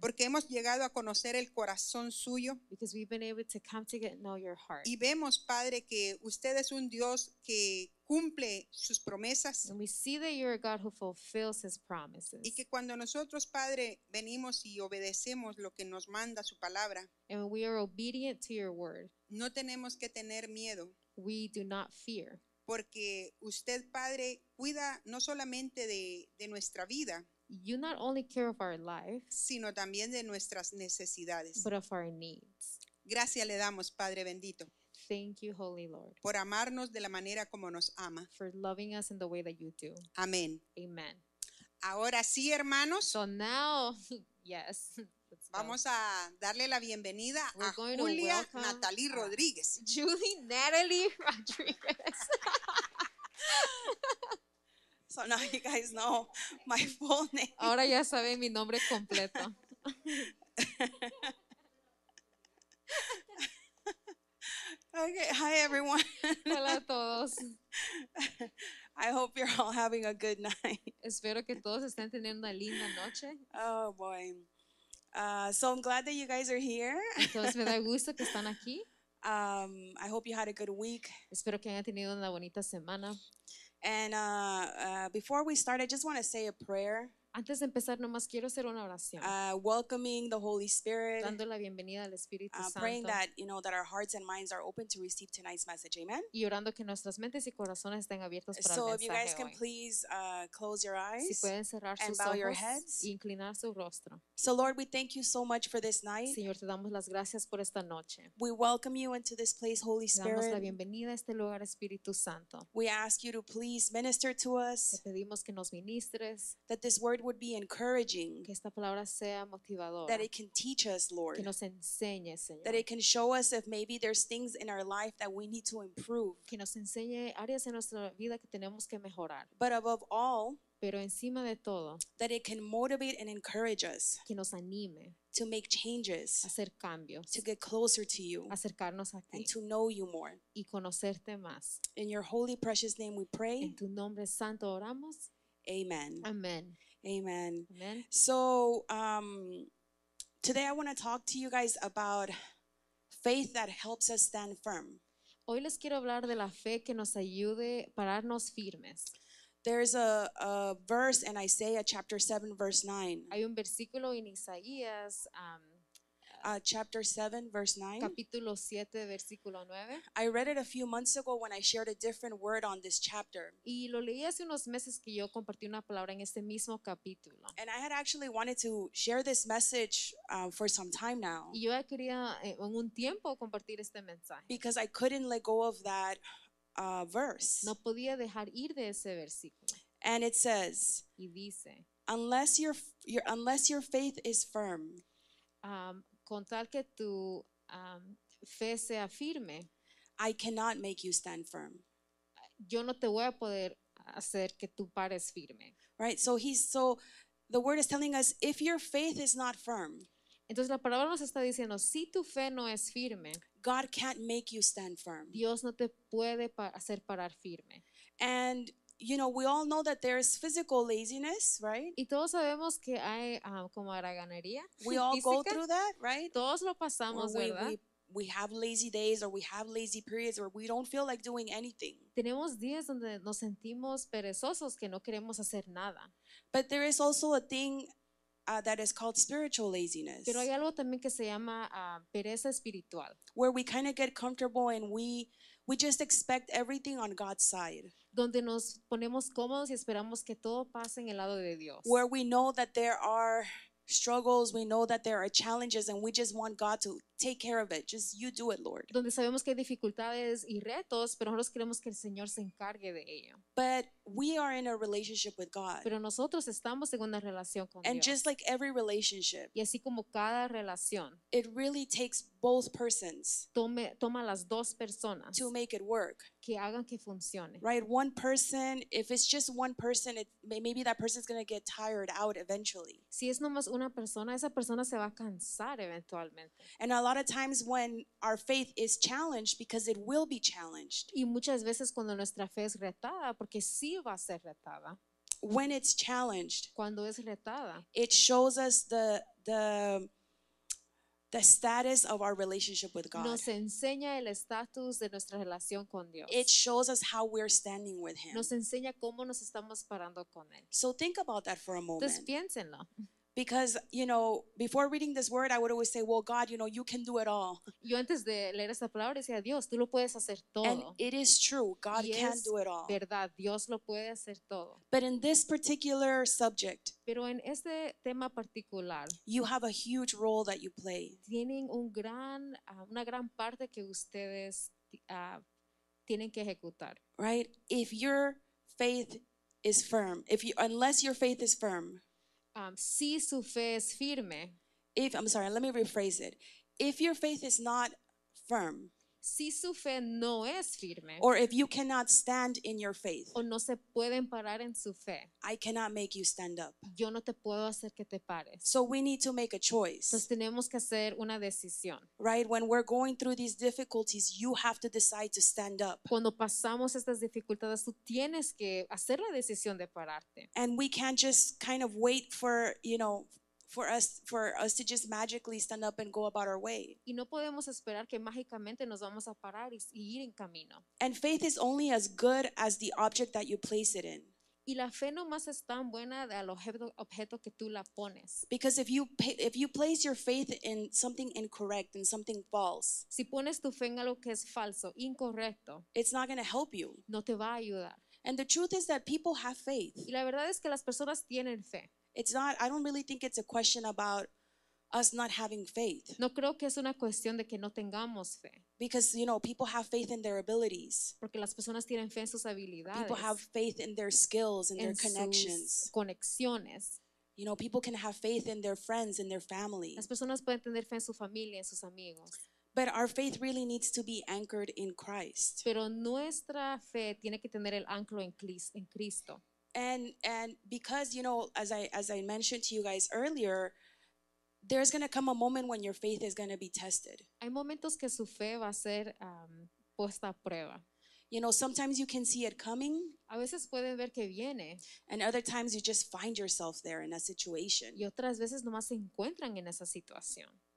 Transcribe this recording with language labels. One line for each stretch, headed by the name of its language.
Spanish: Porque hemos llegado a conocer el corazón suyo.
English: Because we've been able to come to get know your heart.
Spanish: Y vemos, Padre, que usted es un Dios que cumple sus promesas.
English: And we see that you're a God who fulfills his promises.
Spanish: Y que cuando nosotros, Padre, venimos y obedecemos lo que nos manda su palabra.
English: And when we are obedient to your word.
Spanish: No tenemos que tener miedo.
English: We do not fear.
Spanish: Porque usted, Padre, cuida no solamente de nuestra vida.
English: You not only care of our life.
Spanish: Sino también de nuestras necesidades.
English: But of our needs.
Spanish: Gracias le damos, Padre bendito.
English: Thank you, Holy Lord.
Spanish: Por amarnos de la manera como nos ama.
English: For loving us in the way that you do.
Spanish: Amén.
English: Amen.
Spanish: Ahora sí, hermanos.
English: So now, yes.
Spanish: Vamos a darle la bienvenida a Julia Natalie Rodriguez. Julie Natalie Rodriguez.
English: So now you guys know my full name.
Spanish: Ahora ya saben mi nombre completo.
English: Okay, hi everyone.
Spanish: Hola a todos.
English: I hope you're all having a good night.
Spanish: Espero que todos estén teniendo una linda noche.
English: Oh boy. So I'm glad that you guys are here.
Spanish: Entonces me da gusto que están aquí.
English: I hope you had a good week.
Spanish: Espero que hayan tenido una bonita semana.
English: And before we start, I just want to say a prayer.
Spanish: Antes de empezar, nomás quiero hacer una oración.
English: Welcoming the Holy Spirit.
Spanish: Dando la bienvenida al Espíritu Santo.
English: Praying that, you know, that our hearts and minds are open to receive tonight's message. Amen.
Spanish: Y orando que nuestras mentes y corazones estén abiertos para el hoy.
English: So if you guys
Spanish: hoy.
English: Can please close your eyes.
Spanish: Si pueden cerrar
English: and
Spanish: sus
English: bow
Spanish: ojos
English: your heads.
Spanish: Y inclinar su rostro.
English: So Lord, we thank you so much for this night.
Spanish: Señor, te damos las gracias por esta noche.
English: We welcome you into this place, Holy Spirit.
Spanish: Damos la bienvenida a este lugar, Espíritu Santo.
English: We ask you to please minister to us.
Spanish: Te pedimos que nos ministres.
English: That this word would be encouraging,
Spanish: que esta palabra sea motivadora,
English: that it can teach us, Lord,
Spanish: que nos enseñe, Señor,
English: that it can show us if maybe there's things in our life that we need to improve,
Spanish: que nos enseñe áreas en nuestra vida que tenemos que mejorar,
English: but above all,
Spanish: pero encima de todo,
English: that it can motivate and encourage us,
Spanish: que nos anime,
English: to make changes,
Spanish: hacer cambios,
English: to get closer to you,
Spanish: acercarnos a ti,
English: and to know you more,
Spanish: y conocerte más.
English: In your holy precious name we pray,
Spanish: en tu nombre santo oramos, amen. Amen. Amen. Amen.
English: So, today I want to talk to you guys about faith that helps us stand firm.
Spanish: Hoy les quiero hablar de la fe que nos ayude a pararnos firmes.
English: There's a verse in Isaiah chapter 7 verse 9.
Spanish: Hay un versículo en Isaías
English: chapter 7 verse 9.
Spanish: Capítulo 7 versículo 9.
English: I read it a few months ago when I shared a different word on this chapter.
Spanish: Y lo leí hace unos meses que yo compartí una palabra en este mismo capítulo.
English: And I had actually wanted to share this message for some time now.
Spanish: Y yo quería en un tiempo compartir este mensaje.
English: Because I couldn't let go of that verse.
Spanish: No podía dejar ir de ese versículo.
English: And it says,
Spanish: y dice,
English: unless your faith is firm.
Spanish: Con tal que tu fe sea firme,
English: I cannot make you stand firm.
Spanish: Yo no te voy a poder hacer que tú pares firme.
English: Right, so the word is telling us, if your faith is not firm,
Spanish: entonces la palabra nos está diciendo, si tu fe no es firme,
English: God can't make you stand firm.
Spanish: Dios no te puede hacer parar firme.
English: And, you know, we all know that there is physical laziness, right?
Spanish: Y todos sabemos que hay como haraganería.
English: We all go through that, right?
Spanish: Todos lo pasamos, ¿verdad?
English: We we have lazy days or we have lazy periods or we don't feel like doing anything.
Spanish: Tenemos días donde nos sentimos perezosos que no queremos hacer nada.
English: But there is also a thing that is called spiritual laziness.
Spanish: Pero hay algo también que se llama pereza espiritual.
English: Where we kind of get comfortable and we just expect everything on God's side.
Spanish: Donde nos ponemos cómodos y esperamos que todo pase en el lado de Dios.
English: Where we know that there are struggles, we know that there are challenges, and we just want God to take care of it. Just you do it, Lord.
Spanish: Donde sabemos que hay dificultades y retos, pero nosotros queremos que el Señor se encargue de ello.
English: But we are in a relationship with God.
Spanish: Pero nosotros estamos en una relación con
English: and
Spanish: Dios.
English: And just like every relationship,
Spanish: y así como cada relación,
English: it really takes both persons.
Spanish: Toma las dos personas
English: to make it work.
Spanish: Que hagan que funcione.
English: Right, one person. If it's just one person, maybe that person is going to get tired out eventually.
Spanish: Si es nomás una persona, esa persona se va a cansar eventualmente.
English: And a lot of times when our faith is challenged, because it will be challenged.
Spanish: Y muchas veces cuando nuestra fe es retada, porque sí va a ser retada.
English: When it's challenged,
Spanish: cuando es retada,
English: it shows us the status of our relationship with God.
Spanish: Nos enseña el estatus de nuestra relación con Dios.
English: It shows us how we're standing with Him.
Spanish: Nos enseña cómo nos estamos parando con Él.
English: So think about that for a moment.
Spanish: Entonces, piénsenlo.
English: Because, you know, before reading this word, I would always say, well, God, you know, you can do it all.
Spanish: Yo antes de leer esta palabra decía, Dios, tú lo puedes hacer todo.
English: And it is true. God can do it all.
Spanish: Y es verdad. Dios lo puede hacer todo.
English: But in this particular subject,
Spanish: pero en este tema particular,
English: you have a huge role that you play.
Spanish: Tienen una gran parte que ustedes tienen que ejecutar.
English: Right? If your faith is firm, unless your faith is firm,
Spanish: si su fe es firme.
English: Let me rephrase it. If your faith is not firm,
Spanish: si su fe no es firme,
English: or if you cannot stand in your faith,
Spanish: o no se pueden parar en su fe,
English: I cannot make you stand up.
Spanish: Yo no te puedo hacer que te pares.
English: So we need to make a choice.
Spanish: Entonces tenemos que hacer una decisión.
English: Right? When we're going through these difficulties, you have to decide to stand up.
Spanish: Cuando pasamos estas dificultades, tú tienes que hacer la decisión de pararte.
English: And we can't just kind of wait for us to just magically stand up and go about our way.
Spanish: Y no podemos esperar que mágicamente nos vamos a parar y ir en camino.
English: And faith is only as good as the object that you place it in.
Spanish: Y la fe no más es tan buena del objeto que tú la pones.
English: Because if you place your faith in something incorrect, in something false,
Spanish: si pones tu fe en algo que es falso, incorrecto,
English: it's not going to help you.
Spanish: No te va a ayudar.
English: And the truth is that people have faith.
Spanish: Y la verdad es que las personas tienen fe.
English: I don't really think it's a question about us not having faith.
Spanish: No creo que es una cuestión de que no tengamos fe.
English: Because, you know, people have faith in their abilities.
Spanish: Porque las personas tienen fe en sus habilidades.
English: People have faith in their skills and
Spanish: en
English: their connections.
Spanish: Sus conexiones.
English: You know, people can have faith in their friends and their family.
Spanish: Las personas pueden tener fe en su familia, en sus amigos.
English: But our faith really needs to be anchored in Christ.
Spanish: Pero nuestra fe tiene que tener el anclo en Cristo.
English: And because, you know, as I mentioned to you guys earlier, there's going to come a moment when your faith is going to be tested.
Spanish: Hay momentos que su fe va a ser puesta a prueba.
English: You know, sometimes you can see it coming.
Spanish: A veces pueden ver que viene.
English: And other times you just find yourself there in a situation.
Spanish: Y otras veces nomás se encuentran en esa situación.